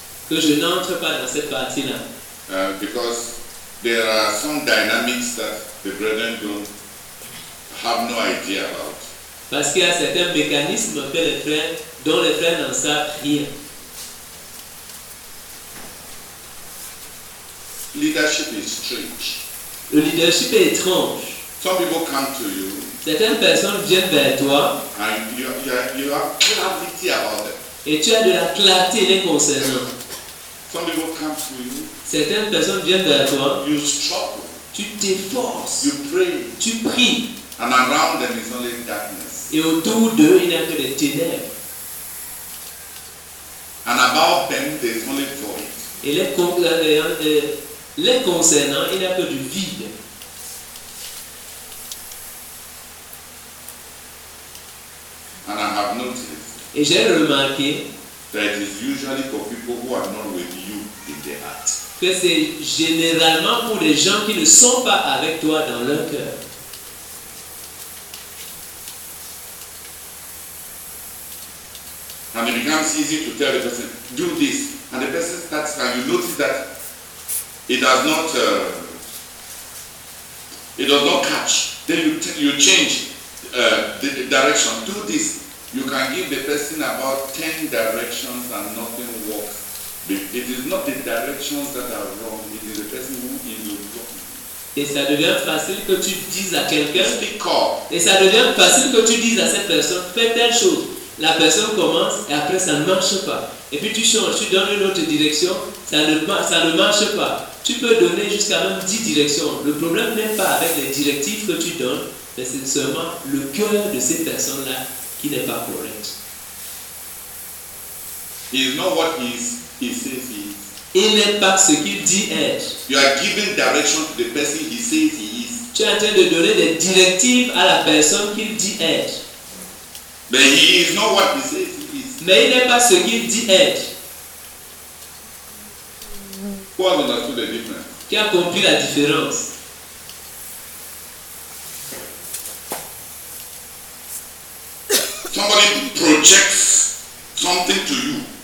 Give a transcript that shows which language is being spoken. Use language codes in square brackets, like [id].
[fr] Que je n'entre pas dans cette partie-là. [en] Because there are some dynamics that the brethren don't have no idea about. [fr] Parce qu'il y a certains mécanismes que les frères, dont les frères n'en savent rien. [en] Leadership is strange. [fr] Le leadership est étrange. [en] Some people come to you. [fr] Certaines personnes viennent vers toi. [en] And you have clarity about them. [fr] Et tu as de la clarté les concernant. [en] Some people come to you. [fr] Certaines personnes viennent vers toi. [en] You struggle. [fr] Tu t'efforces. [en] You pray. [fr] Tu pries. [en] And around them is only darkness. [fr] Et autour d'eux, il n'y a que des ténèbres. [en] And about them, there is only void. [fr] Et les concernant, il n'y a que du vide. [en] And I have noticed. [fr] Et j'ai remarqué. [en] That is usually for people who are not with you in their heart. [fr] Que c'est généralement pour les gens qui ne sont pas avec toi dans leur cœur. [en] And it becomes easy to tell the person, do this, and the person starts, and you notice that it does not catch. Then you change the direction. Do this. You can give the person about 10 directions and nothing works. It is not the directions that are wrong, it is the person who is wrong. [fr] Et ça devient facile que tu dises à quelqu'un. Et ça devient facile que tu dises à cette personne, fais telle chose. La personne commence et après ça ne marche pas. Et puis tu changes, tu donnes une autre direction, ça ne marche pas. Tu peux donner jusqu'à même 10 directions. Le problème n'est pas avec les directives que tu donnes, mais c'est seulement le cœur de ces personnes-là. Qui n'est pas correct. [en] He is not what he says he is. [fr] Il n'est pas ce qu'il dit être. [en] You are giving direction to the person he says he is. [fr] Tu es en train de donner des directives à la personne qu'il dit être. [en] But he is not what he says he is. [fr] Mais il n'est pas ce qu'il dit être. [en] Who has understood the difference? [fr] Qui a compris la différence? [en] Somebody projects something to you.